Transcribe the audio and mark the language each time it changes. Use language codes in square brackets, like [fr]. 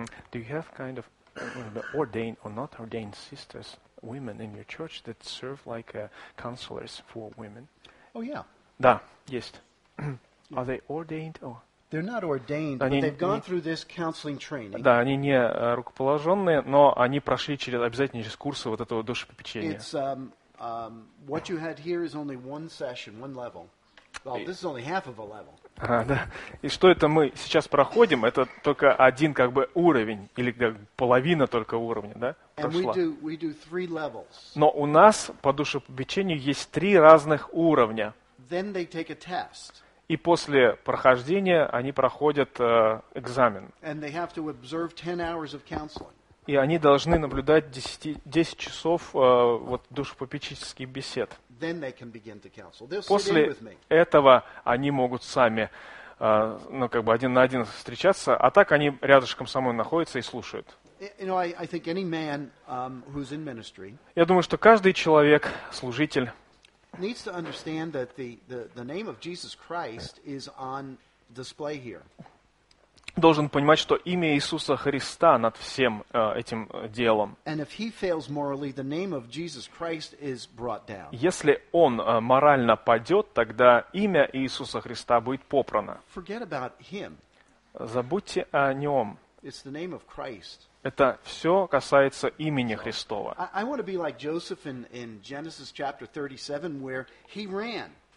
[en] Do you have kind of ordained or not ordained sisters, women in your church that serve like counselors for women? Oh yeah. [ru] Да, есть. [en] Are they ordained or? They're not ordained, but they've gone through this counseling training. [ru] Да, они не рукоположенные, но они прошли через обязательно через курсы вот этого душепопечения. [en] It's what you had here is only one session, one level. Well, this is only half of a level. [ru] Да. И что это мы сейчас проходим? Это только один как бы уровень или половина только уровня, да? Прошла. [en] And we do three levels. [ru] Но у нас по душепопечению есть три разных уровня. [en] Then they take a test. [ru] И после прохождения они проходят экзамен. [en] And they have to observe 10 hours of counseling. [ru] И они должны наблюдать 10 часов вот душепопечительских бесед. [en] Then they can begin to counsel. They'll [ru] после [en] sit in with me. [ru] Этого они могут сами как бы один на один встречаться, а так они рядышком со мной находятся и слушают. [en] I think any man, who's in ministry, [ru] я думаю, что каждый человек, служитель, [en] needs to understand that the name of Jesus Christ is on display here. [ru] Должен понимать, что имя Иисуса Христа над всем этим делом. [en] And if he fails morally, the name of Jesus Christ is brought down. [ru] Если он морально падет, тогда имя Иисуса Христа будет попрано. [en] Forget about him. [ru] Забудьте о нем. [en] It's the name of Christ. [ru] Это все касается имени Христова. [en] I want to be like Joseph in Genesis chapter 37, where he ran.